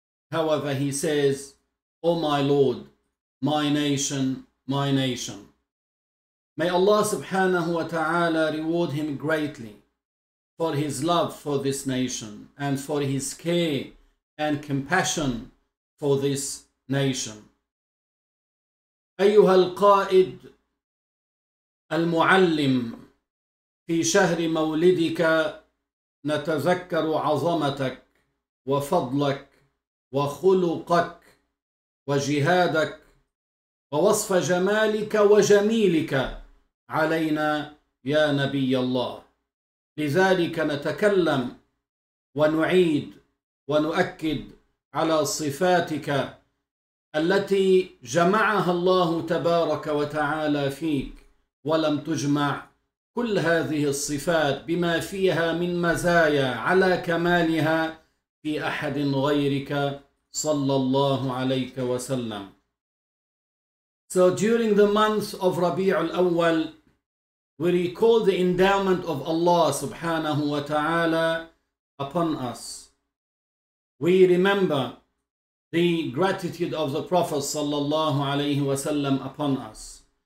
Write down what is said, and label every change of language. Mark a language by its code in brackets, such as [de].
[en] However, he says, O my Lord, my nation, my nation. May Allah subhanahu wa ta'ala reward him greatly for his love for this nation and for his care and compassion for this nation. [ar] أيها القائد المعلم، في شهر مولدك نتذكر عظمتك وفضلك وخلقك وجهادك ووصف جمالك وجميلك علينا يا نبي الله. لذلك نتكلم ونعيد ونؤكد على صفاتك التي جمعها الله تبارك وتعالى فيك ولم تجمع كل هذه الصفات بما فيها من مزايا على كمالها في أحد غيرك صلى الله عليك وسلم. [en] So during the month of Rabi'ul Awwal, we recall the endowment of Allah subhanahu wa ta'ala upon us. We remember the gratitude of the Prophet sallallahu alayhi wa sallam upon us.